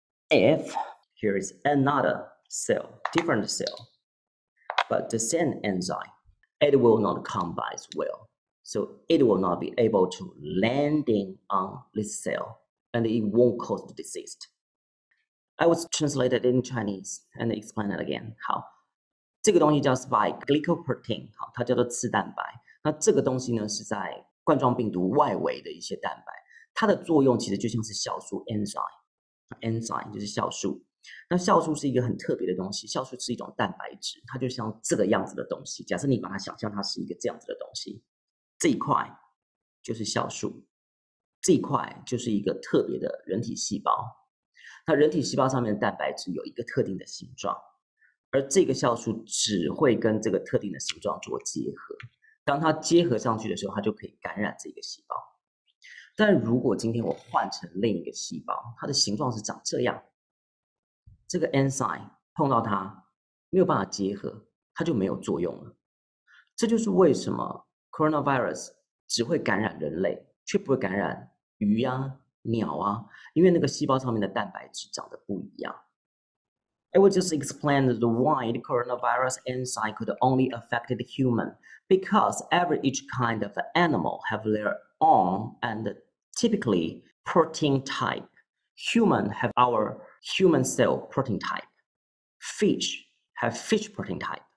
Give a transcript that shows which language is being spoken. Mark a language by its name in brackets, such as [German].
[English] If here is another cell, different cell, but the same enzyme, it will not combine as well. So it will not be able to landing on this cell and it won't cause the disease. I was translated in Chinese and explain it again. How? [Chinese] 这个东西叫 spike glycoprotein， 好，它叫做刺蛋白。那这个东西呢，是在冠状病毒外围的一些蛋白。它的作用其实就像是酵素 enzyme 就是酵素。那酵素是一个很特别的东西，酵素是一种蛋白质，它就像这个样子的东西。假设你把它想象它是一个这样子的东西，这一块就是酵素，这一块就是一个特别的人体细胞。那人体细胞上面的蛋白质有一个特定的形状。而这个酵素只会跟这个特定的形状做结合，当它结合上去的时候，它就可以感染这个细胞。但如果今天我换成另一个细胞，它的形状是长这样，这个 enzyme 碰到它没有办法结合，它就没有作用了。这就是为什么 coronavirus 只会感染人类，却不会感染鱼啊、鸟啊，因为那个细胞上面的蛋白质长得不一样。 [English] It would just explain the why the coronavirus enzyme could only affect the human because every each kind of animal have their own and typically protein type. Human have our human cell protein type. Fish have fish protein type.